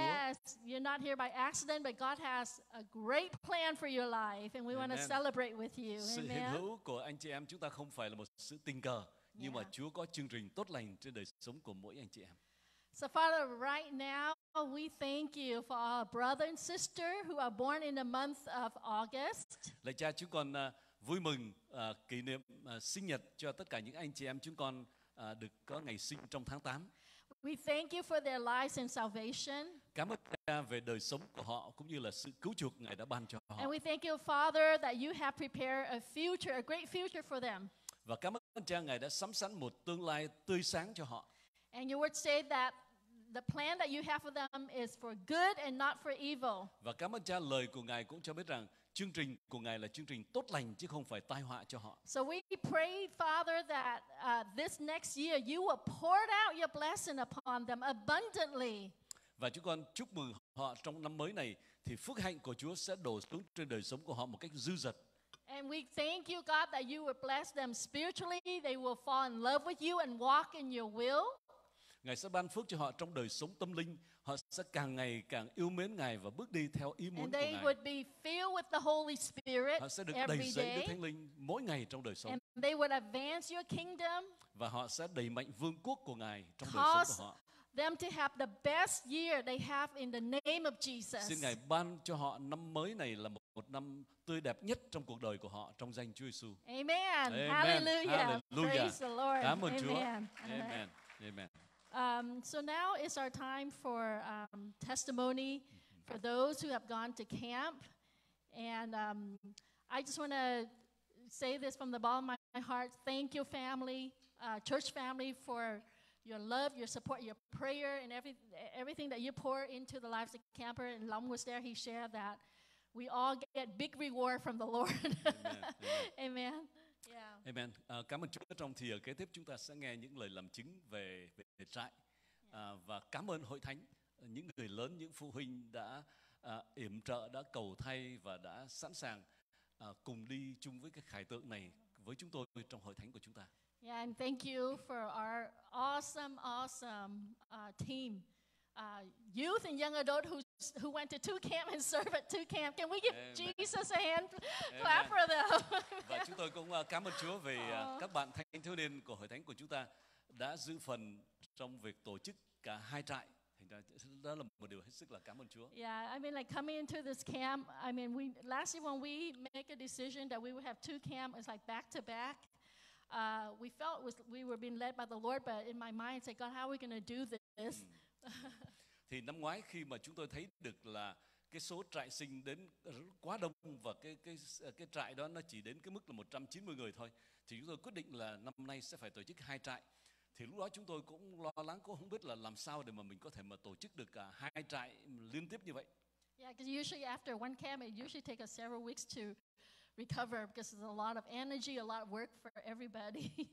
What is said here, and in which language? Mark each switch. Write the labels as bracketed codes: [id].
[en] Yes, you're not here by accident, but God has a great plan for your life, and we want to celebrate with you. [vi] Sự [en] Amen. [vi] Hiện hữu của anh chị em chúng ta không phải là một sự tình cờ, nhưng mà Chúa có chương trình tốt lành trên đời sống của mỗi anh chị em. [en] So Father, right now we thank you for our brother and sister who are born in the month of August. [vi] Lạy Cha, chúng con vui mừng kỷ niệm sinh nhật cho tất cả những anh chị em chúng con được có ngày sinh trong tháng 8. [en] We thank you for their lives and salvation. [vi] Cảm ơn Cha về đời sống của họ cũng như là sự cứu chuộc Ngài đã ban cho họ. [en] And we thank you, Father, that you have prepared a future, a great future for them. [vi] Và cảm ơn Cha Ngài đã sắm sẵn một tương lai tươi sáng cho họ. [en] And your word say that the plan that you have for them is for good and not for evil. [vi] Và cảm ơn Cha lời của Ngài cũng cho biết rằng chương trình của Ngài là chương trình tốt lành chứ không phải tai họa cho họ. [en] So we pray, Father, that this next year you will pour out your blessing upon them abundantly. [vi] Và chúng con chúc mừng họ trong năm mới này thì phước hạnh của Chúa sẽ đổ xuống trên đời sống của họ một cách dư dật. [en] And we thank you, God, that you will bless them spiritually. They will fall in love with you and walk in your will. [vi] Ngài sẽ ban phước cho họ trong đời sống tâm linh. Họ sẽ càng ngày càng yêu mến Ngài và bước đi theo ý muốn của Ngài. [en] Would be filled with the Holy Spirit. [vi] Họ sẽ được đầy dẫy Đức Thánh Linh mỗi ngày trong đời sống. [en] And they would advance your kingdom. [vi] Và họ sẽ đẩy mạnh vương quốc của Ngài trong [en] Cause [vi] đời sống của họ. [en] Them to have the best year they have in the name of Jesus. [vi] Xin Ngài ban cho họ năm mới này là một năm tươi đẹp nhất trong cuộc đời của họ trong danh Chúa Giêsu. [en] Amen. Amen. Hallelujah. Hallelujah. Praise the Lord. [vi] Cảm ơn [en] Amen. [vi] Chúa. Amen. Amen. [en] So now is our time for testimony for those who have gone to camp. And I just want to say this from the bottom of my heart. Thank you, family, church family, for your love, your support, your prayer, and everything that you pour into the lives of camper. And Long was there. He shared that we all get big reward from the Lord. Amen. Amen. Amen. Yeah. [vi] Amen. Cảm ơn Chúa. Trong thì ở kế tiếp chúng ta sẽ nghe những lời làm chứng về trại. Và cảm ơn Hội Thánh, những người lớn, những phụ huynh đã yểm trợ, đã cầu thay và đã sẵn sàng cùng đi chung với cái khải tượng này với chúng tôi trong Hội Thánh của chúng ta. [en] Yeah, and thank you for our awesome team. Youth and young adult who went to two camp and serve at two camp. Can we give Amen. Jesus a hand clap for them? [vi] Và chúng tôi cũng cảm ơn Chúa về các bạn thanh thiếu niên của Hội Thánh của chúng ta đã giữ phần trong việc tổ chức cả hai trại. Đó là một điều hết sức là cảm ơn Chúa. [en] Yeah, I mean like coming into this camp, I mean we last year when we make a decision that we would have two camp, it's like back to back. We felt we were being led by the Lord, but in my mind, say, God, how are we going to do this? [vi] Thì năm ngoái khi mà chúng tôi thấy được là cái số trại sinh đến quá đông và cái trại đó nó chỉ đến cái mức là 190 người thôi, thì chúng tôi quyết định là năm nay sẽ phải tổ chức hai trại. Thì lúc đó chúng tôi cũng lo lắng, cũng không biết là làm sao để mà mình có thể mà tổ chức được cả hai trại liên tiếp như vậy. [en] Yeah, because usually after one camp, it usually takes us several weeks to recover because it's a lot of energy, a lot of work for everybody.